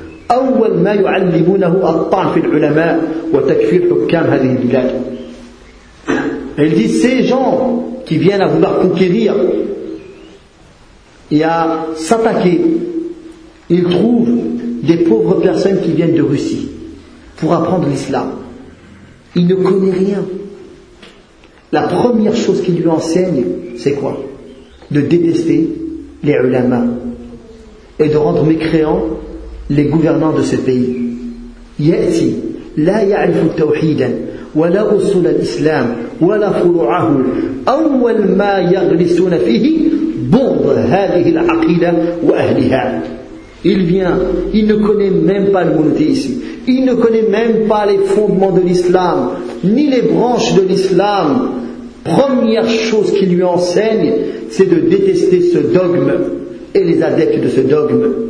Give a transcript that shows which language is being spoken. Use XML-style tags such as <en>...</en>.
<ar>أول ما يعلمونه الطعن في العلماء وتكفير حكام هذه البلاد.</ar> <fr>Il dit, ces gens qui viennent à vouloir conquérir et à s'attaquer, ils trouvent des pauvres personnes qui viennent de Russie pour apprendre l'islam. Ils ne connaissent rien. La première chose qu'ils lui enseignent, c'est quoi? De détester les ulama et de rendre mécréants les gouvernants de ce pays. Yati,</fr> <ar>لا يعرف التوحيد ولا أصول الإسلام ولا فروعه أول ما يغرسون فيه بغض هذه العقيدة وأهلها.</ar> <fr>Il vient, il ne connaît même pas le monothéisme, il ne connaît même pas les fondements de l'islam, ni les branches de l'islam. Première chose qu'il lui enseigne, c'est de détester ce dogme et les adeptes de ce dogme.</fr>